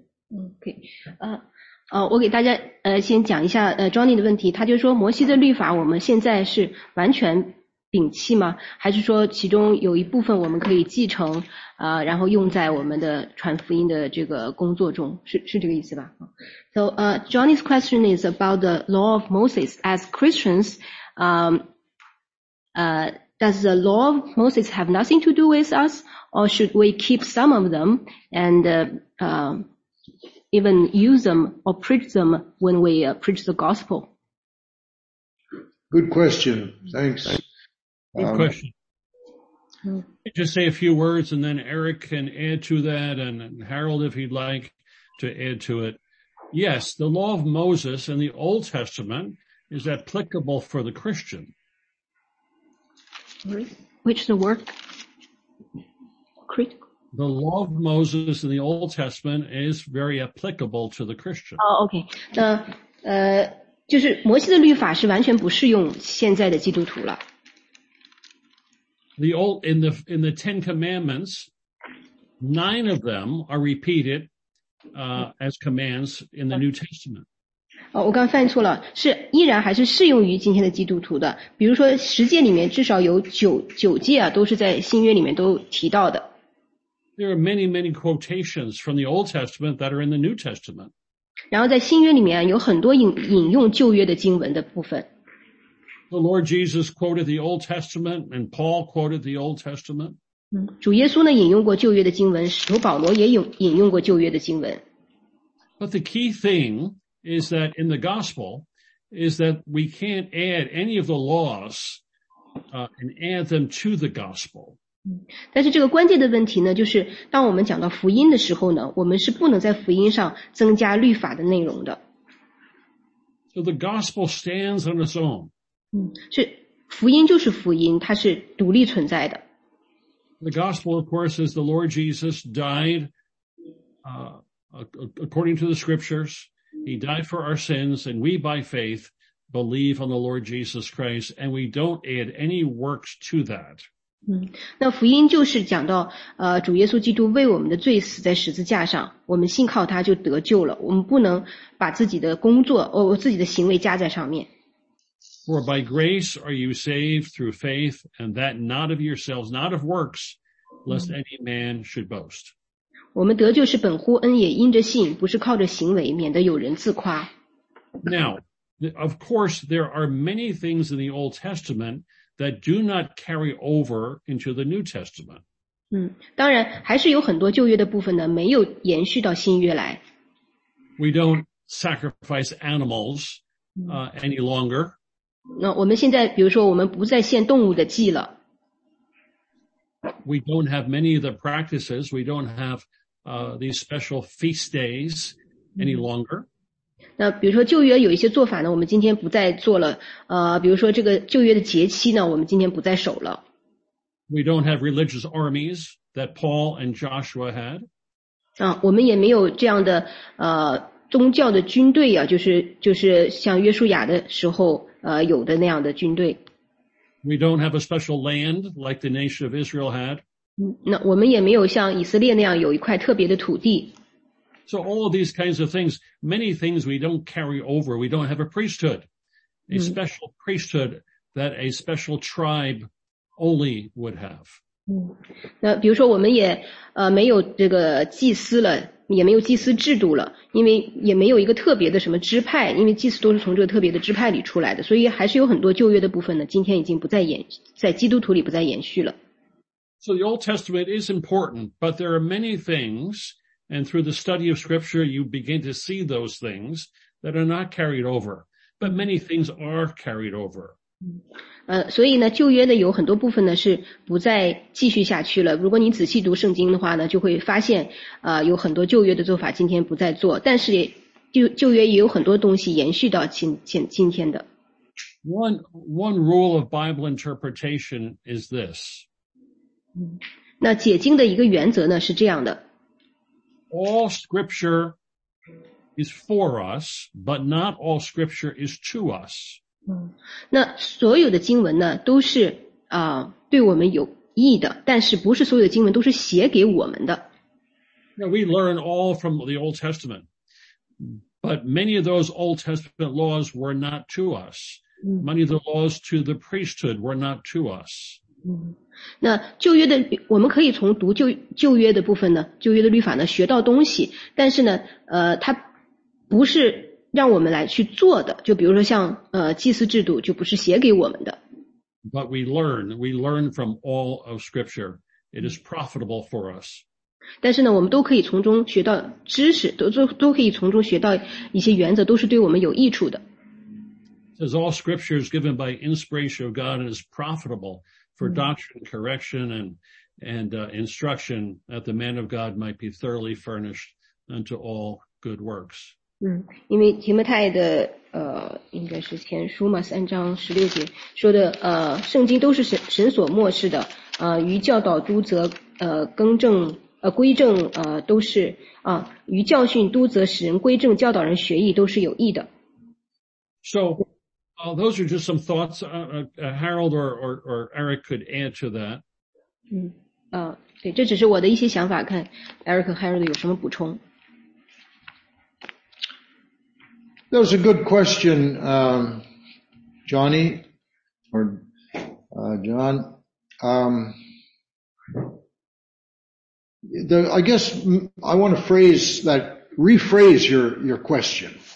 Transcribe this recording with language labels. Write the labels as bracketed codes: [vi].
[zh] OK, 我给大家先讲一下Johnny 的问题，他就说摩西的律法我们现在是完全摒弃吗？还是说其中有一部分我们可以继承然后用在我们的传福音的这个工作中，是这个意思吧？ [en] So, Johnny's question is about the law of Moses. As Christians, does the law of Moses have nothing to do with us, or should we keep some of them and even use them or preach them when we preach the gospel? Good question. Thanks. Good question. Let me just say a few words, and then Eric can add to that, and Harold, if he'd like, to add to it. Yes, the law of Moses in the Old Testament is applicable for the Christian. Which is the work? Critical. The law of Moses in the Old Testament is very applicable to the Christian. Oh, okay. [zh] 那就是摩西的律法是完全不适用现在的基督徒了。 [en] The old in the Ten Commandments, 9 of them are repeated as commands in the New Testament. [zh] 我刚翻译错了，是依然还是适用于今天的基督徒的。比如说十诫里面至少有九诫啊，都是在新约里面都提到的。 [en] There are many, many quotations from the Old Testament that are in the New Testament. [zh] 然后在新约里面有很多引用旧约的经文的部分。 [en] The Lord Jesus quoted the Old Testament and Paul quoted the Old Testament. [zh] 主耶稣呢引用过旧约的经文，使徒保罗也引用过旧约的经文。 [en] But the key thing is that in the gospel is that we can't add any of the laws, and add them to the gospel. [zh] 但是这个关键的问题呢，就是当我们讲到福音的时候呢，我们是不能在福音上增加律法的内容的。 [en] So the gospel stands on its own. [zh] 是福音就是福音，它是独立存在的。 [en] The gospel, of course, is the Lord Jesus died according to the scriptures. He died for our sins, and we, by faith, believe on the Lord Jesus Christ, and we don't add any works to that. [zh] 那福音就是讲到主耶稣基督为我们的罪死在十字架上，我们信靠他就得救了，我们不能把自己的工作自己的行为加在上面。 [en] For by grace are you saved through faith, and that not of yourselves, not of works, lest any man should boast. [zh] 我们得救是本乎恩，也因着信，不是靠着行为，免得有人自夸。 [en] Now, of course, there are many things in the Old Testament that do not carry over into the New Testament. [zh] 当然还是有很多旧约的部分呢，没有延续到新约来。 [en] We don't sacrifice animals any longer. [zh] 那我们现在比如说我们不再献动物的祭了。 [en] We don't have many of the practices, we don't have these special feast days any longer. [zh] 那比如说旧约有一些做法呢，我们今天不再做了。比如说这个旧约的节期呢，我们今天不再守了。 [en] We don't have religious armies that Paul and Joshua had. [zh] 我们也没有这样的宗教的军队啊，就是像约书亚的时候有的那样的军队。 [en] We don't have a special land like the nation of Israel had. [zh] 那我们也没有像以色列那样有一块特别的土地。 [en] So all of these kinds of things, many things we don't carry over. We don't have a priesthood, a special priesthood that a special tribe only would have. [zh] 那比如说我们也没有这个祭司了，也没有祭司制度了，因为也没有一个特别的什么支派，因为祭司都是从这个特别的支派里出来的，所以还是有很多旧约的部分呢，今天已经不再延在基督徒里不再延续了。 [en] So the Old Testament is important, but there are many things. And through the study of scripture, you begin to see those things that are not carried over. But many things are carried over. [zh] 所以呢旧约呢有很多部分呢是不再继续下去了。如果你仔细读圣经的话呢就会发现有很多旧约的做法今天不再做。但是旧约也有很多东西延续到今天的。 [en] One rule of Bible interpretation is this. [zh] 那解经的一个原则呢是这样的。 [en] All scripture is for us, but not all scripture is to us. [zh] 那所有的经文呢都是对我们有益的，但是不是所有的经文都是写给我们的。 [en] Now, we learn all from the Old Testament, but many of those Old Testament laws were not to us. Many of the laws to the priesthood were not to us. [zh] 那旧约的我们可以从读旧约的部分呢旧约的律法呢学到东西，但是呢它不是让我们来去做的，就比如说像祭司制度就不是写给我们的。 [en] But we learn from all of scripture. It is profitable for us. [zh] 但是呢我们都可以从中学到知识，都可以从中学到一些原则，都是对我们有益处的。 [en] It says all scripture is given by inspiration of God and is profitable. For doctrine, correction, and instruction, that the man of God might be thoroughly furnished unto all good works. [zh] 因为提摩太的应该是前书嘛，三章十六节说的圣经都是神所默示的，于教导督责更正归正都是于教训督责使人归正教导人学义都是有益的。 [en] So. Those are just some thoughts. Harold or Eric could add to that. [zh] 对，这只是我的一些想法。看 Eric 和 Harold 有什么补充。 [en] That was a good question, Johnny or John. I guess I want to rephrase your question.